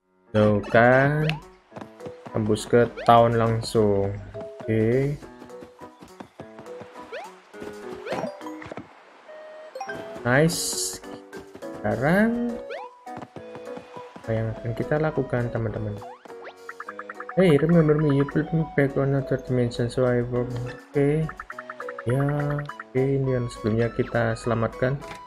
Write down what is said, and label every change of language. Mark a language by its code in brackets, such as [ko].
[id] Tuh kan, tembus ke town langsung. Oke. Nice. Sekarang apa yang akan kita lakukan, teman-teman? [en] Hey, remember me? You put me back on another dimension, so I will. Okay. [id] Ini yang sebelumnya kita selamatkan.